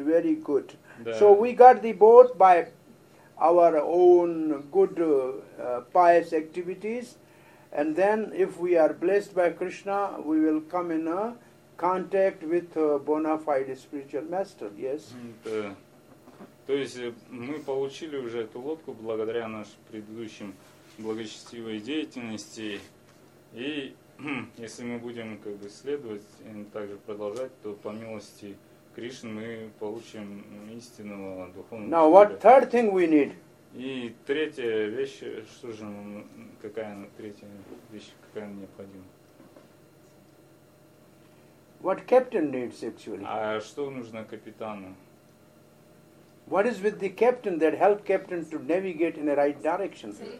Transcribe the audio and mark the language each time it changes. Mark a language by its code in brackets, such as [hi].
[en] Very good. [ru] Да. [en] So we got the boat by our own good pious activities, and then if we are blessed by Krishna, we will come in contact with a bona fide spiritual master. Yes. [ru] Да. То есть мы получили уже эту лодку благодаря нашим предыдущим благочестивой деятельности. И если мы будем как бы следовать и также продолжать, то по милости Кришны мы получим истинного духовного. [en] Now what third thing we need? [ru] И третья вещь, что же нам, какая третья вещь, какая нам необходима? [en] What captain needs actually? [ru] А что нужно капитану? [en] What is with the captain that help captain to navigate in the right direction?